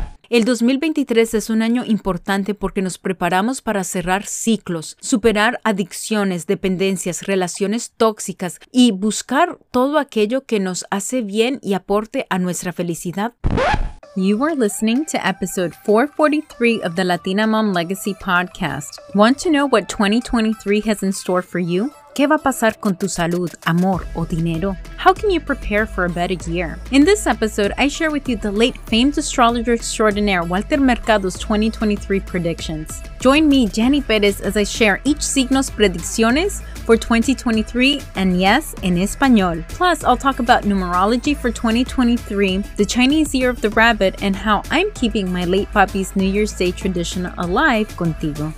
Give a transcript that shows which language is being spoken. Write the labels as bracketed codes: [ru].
[es] El 2023 es un año importante porque nos preparamos para cerrar ciclos, superar adicciones, dependencias, relaciones tóxicas y buscar todo aquello que nos hace bien y aporte a nuestra felicidad. [en] You are listening to episode 443 of the Latina Mom Legacy Podcast. Want to know what 2023 has in store for you? [es] ¿Qué va a pasar con tu salud, amor o dinero? [en] How can you prepare for a better year? In this episode, I share with you the late famed astrologer extraordinaire Walter Mercado's 2023 predictions. Join me, Jenny Perez, as I share each signo's [es] predicciones [en] for 2023, and yes, [es] en español. [en] Plus, I'll talk about numerology for 2023, the Chinese year of the rabbit, and how I'm keeping my late papi's New Year's Day tradition alive [es] contigo.